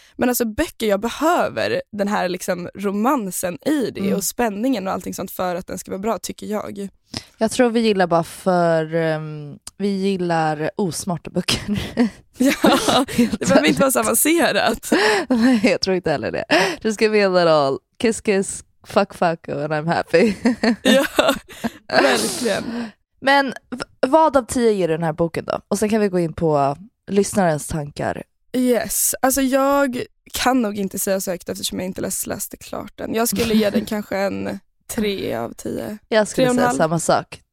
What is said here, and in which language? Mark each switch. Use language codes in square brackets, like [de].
[sv] Men alltså böcker, jag behöver den här liksom romansen i det och spänningen och allting sånt för att den ska vara bra, tycker jag. Jag tror vi gillar bara för vi gillar osmarta böcker. Ja, det behöver inte vara så avancerat. Nej, jag tror inte heller det. Det ska bli en roll. [en] Kiss, kiss, fuck, fuck and I'm happy. [sv] Ja, verkligen. Men vad av 10 ger du den här boken då? Och sen kan vi gå in på lyssnarens tankar. Yes, alltså jag kan nog inte säga så högt eftersom jag inte läste klart den. Jag skulle ge den kanske en 3 av 10. Jag skulle säga samma sak.